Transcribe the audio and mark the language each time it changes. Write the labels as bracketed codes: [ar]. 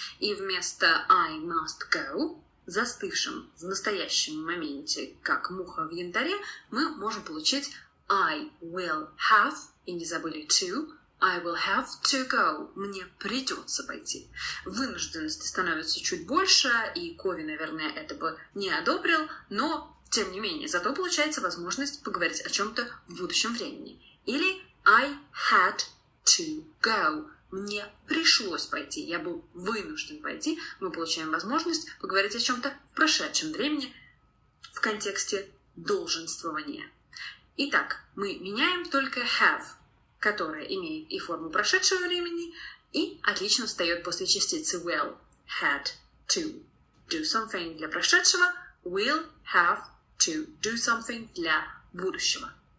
[ru] И вместо [en] I must go, [ru] застывшим в настоящем моменте, как муха в янтаре, мы можем получить [en] I will have, [ru] и не забыли to, [en] I will have to go. [ru] Мне придется пойти. Вынужденности становится чуть больше, и Кови, наверное, это бы не одобрил, но, тем не менее, зато получается возможность поговорить о чем-то в будущем времени. Или [en] I had to go. [ru] Мне пришлось пойти, я был вынужден пойти. Мы получаем возможность поговорить о чем-то в прошедшем времени в контексте долженствования. Итак, мы меняем только have, которая имеет и форму прошедшего времени, и отлично встает после частицы will, [en] had to do something [ru] для прошедшего, [en] will have to do something [ru] для будущего.